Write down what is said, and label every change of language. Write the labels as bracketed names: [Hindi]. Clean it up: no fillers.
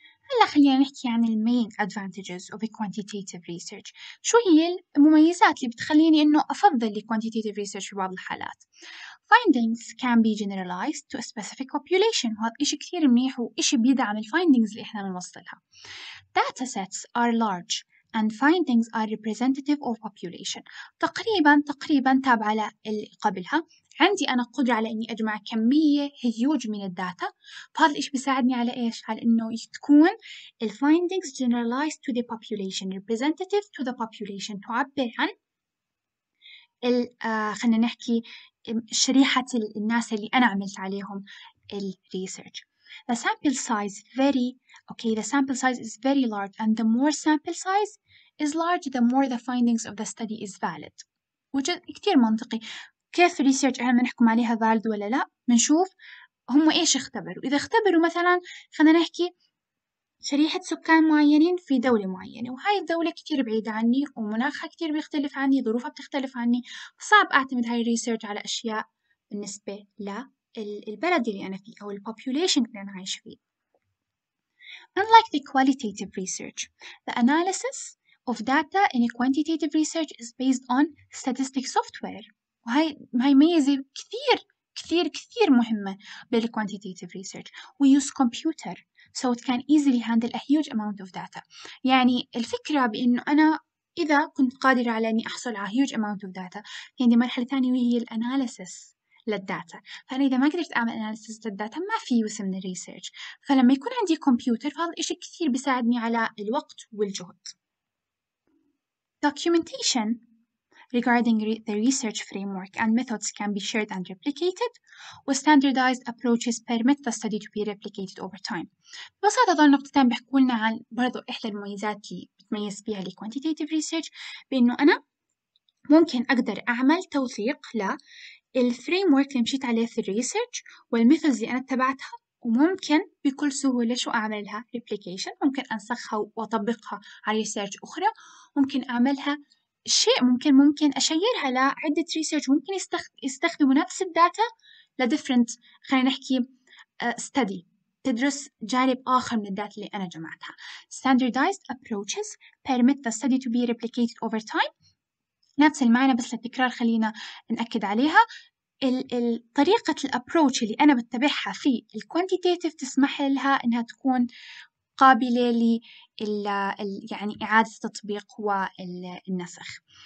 [Arabic] هلا خلينا نحكي عن [English] the main advantages of quantitative research. [Arabic] شو هي المميزات اللي بتخليني إنه أفضل the quantitative research في بعض الحالات؟ [English] Findings can be generalized to a specific population. [Arabic] هذا إشي كثير منيح وإشي بيدعم the findings اللي إحنا بنوصلها. [English] Data sets are large and findings are representative of population. [Arabic] تقريبا تابع على اللي قبلها. عندي أنا قدرة على إني أجمع كمية هيوج من الداتا، فهذا الإشي بيساعدني على إيش؟ على إنه تكون الـ findings [English] generalized to the population، [Arabic] representative to the population، تعبر عن الـ خلنا نحكي شريحة الناس اللي أنا عملت عليهم الـ research. [English] the sample size very okay the sample size is very large and the more sample size is large the more the findings of the study is valid which is [Arabic] كتير منطقي كيف research احنا بنحكم عليها valid ولا لا بنشوف هم ايش اختبروا اذا اختبروا مثلا خلينا نحكي شريحة سكان معينين في دولة معينة وهاي الدولة كتير بعيدة عني ومناخها كتير بيختلف عني ظروفها بتختلف عني صعب أعتمد هاي الريسيرش على أشياء بالنسبة للبلد اللي أنا فيه أو البوبوليشن اللي أنا عايش فيه. [English] Unlike the qualitative research, the analysis of data in a quantitative research is based on statistics software. [Arabic] وهاي ميزة كثير كثير كثير مهمة بالquantitative research. [English] We use computer. So it can easily handle a huge amount of data. [Arabic] يعني الفكرة بأنه أنا إذا كنت قادرة على أني أحصل على [English] a huge amount of data [Arabic] يعني مرحلة ثانية وهي الأناليسس للداتا فأنا إذا ما قدرت أعمل أناليسس للداتا ما في وسم من الريسيرش فلما يكون عندي كمبيوتر فهذا إشي كثير بيساعدني على الوقت والجهد. [English] Documentation regarding the research framework and methods can be shared and replicated with standardized approaches permit the study to be replicated over time. [Arabic] ببساطة هذول النقطتين بيحكوا لنا عن برضو إحدى المميزات اللي بتميز فيها الـ quantitative research بأنه أنا ممكن أقدر أعمل توثيق للفريمورك اللي مشيت عليه في الريسيرش والميثودز اللي أنا اتبعتها وممكن بكل سهولة شو أعملها replication ممكن أنسخها وأطبقها على ريسيرش أخرى ممكن أعملها شيء ممكن أشيرها لعدة ريسيرش ممكن يستخدموا نفس الداتا لديفرنت خلينا نحكي study تدرس جانب آخر من الداتا اللي أنا جمعتها. [English] Standardized approaches permit the study to be replicated over time. [Arabic] نفس المعنى بس للتكرار خلينا نأكد عليها. الطريقة الابروتش اللي أنا بتبعها في الكوانتيتيف تسمح لها إنها تكون قابلة يعني إعادة التطبيق والنسخ.